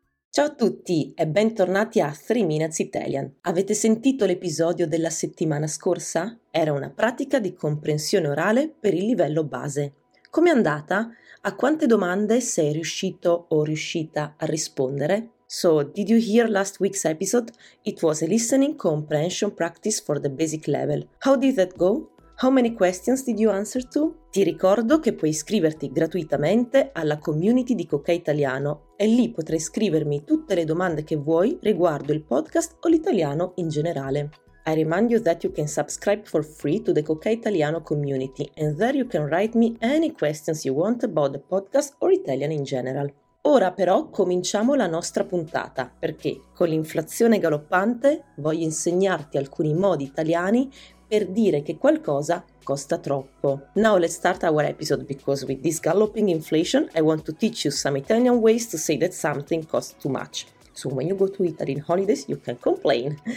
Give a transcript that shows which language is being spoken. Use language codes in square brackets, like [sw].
[it] Ciao a tutti e bentornati a 3 Minutes Italian. Avete sentito l'episodio della settimana scorsa? Era una pratica di comprensione orale per il livello base. Com'è andata? A quante domande sei riuscito o riuscita a rispondere? [en] So, did you hear last week's episode? It was a listening comprehension practice for the basic level. How did that go? How many questions did you answer to? [it] Ti ricordo che puoi iscriverti gratuitamente alla community di Cocai Italiano e lì potrai scrivermi tutte le domande che vuoi riguardo il podcast o l'italiano in generale. [en] I remind you that you can subscribe for free to the Cocai Italiano community and there you can write me any questions you want about the podcast or Italian in general. [it] Ora però cominciamo la nostra puntata, perché con l'inflazione galoppante voglio insegnarti alcuni modi italiani per dire che qualcosa costa troppo. [en] Now let's start our episode because with this galloping inflation, I want to teach you some Italian ways to say that something costs too much. So when you go to Italy in holidays, you can complain.